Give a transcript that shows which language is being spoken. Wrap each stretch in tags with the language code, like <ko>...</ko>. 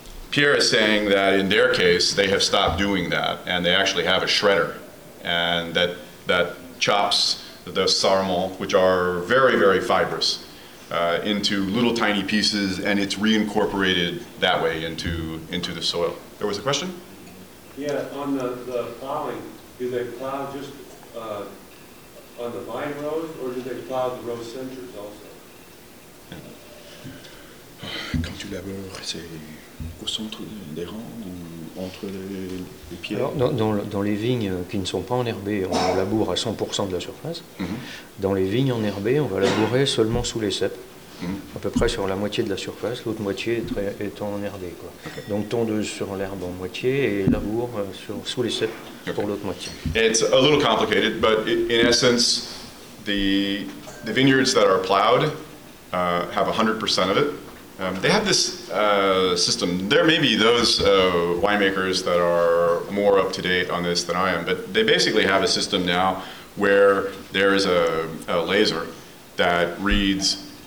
<en>Pierre is saying that in their case, they have stopped doing that, and they actually have a shredder, and that chops the sarmal, which are very, very fibrous, into little tiny pieces, and it's reincorporated that way into the soil. There was a question? Yeah, on the plowing, do they plow just on the vine rows, or do they plow the row centers also?</en> <fr>Quand tu labores, c'est au centre des rangs ou entre les pieds? Alors, dans les vignes qui ne sont pas enherbées, on laboure à 100% de la surface. Mm-hmm. Dans les vignes enherbées, on va labourer seulement sous les ceps, mm-hmm. à peu près sur la moitié de la surface, l'autre moitié étant enherbée. Quoi. Okay. Donc tondeuse sur l'herbe en moitié et laboure sous les ceps okay. pour l'autre moitié.</fr> <en>It's a little complicated, but in essence, the vineyards that are plowed have 100% of it. They have this system. There may be those winemakers that are more up to date on this than I am, but they basically have a system now where there is a laser that reads</en>